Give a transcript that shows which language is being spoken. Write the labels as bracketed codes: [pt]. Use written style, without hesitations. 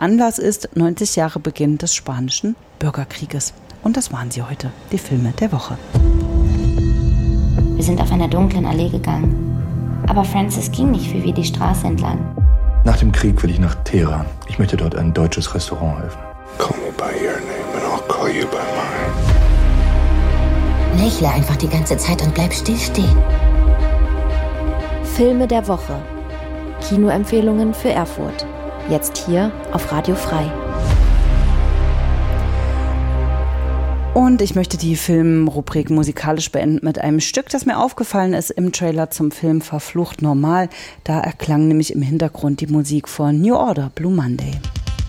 [de] Anlass ist 90 Jahre Beginn des Spanischen Bürgerkrieges. Und das waren sie heute, die Filme der Woche. Wir sind auf einer dunklen Allee gegangen. Aber Francis ging nicht wie wir die Straße entlang. Nach dem Krieg will ich nach Teheran. Ich möchte dort ein deutsches Restaurant eröffnen. [en] Call me by your name and I'll call you by mine. [de] Lächle einfach die ganze Zeit und bleib stillstehen. Filme der Woche. Kinoempfehlungen für Erfurt. Jetzt hier auf Radio Frei. Und ich möchte die Filmrubrik musikalisch beenden mit einem Stück, das mir aufgefallen ist im Trailer zum Film Verflucht Normal. Da erklang nämlich im Hintergrund die Musik von New Order, Blue Monday.